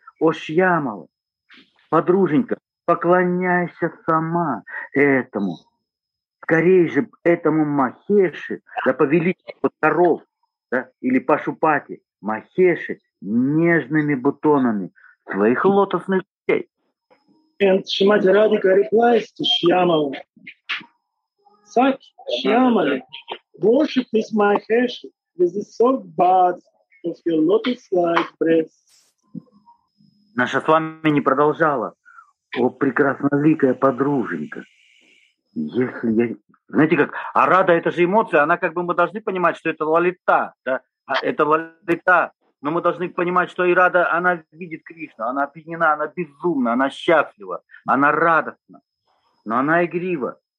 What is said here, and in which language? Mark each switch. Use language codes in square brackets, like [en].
[ru] О, Шьямала, подруженька, поклоняйся сама этому. Скорее же этому Махеши, да повелитель коров, да, или Пашупати, Махеши нежными бутонами своих лотосных путей. [en] And Shrimati Radhika replies to Shyamala. Sakhi, Shyamala, worship this Maheshi with the soft buds of your lotus-like breasts. [ru] Наша Свами не продолжала. О, прекрасноликая подруженька. Если я... Знаете как, а рада это же эмоция, она как бы, мы должны понимать, что это лалита, да, это лалита. Но мы должны понимать, что и рада, она видит Кришну, она опьянена, она безумна, она счастлива, она радостна, но она игрива.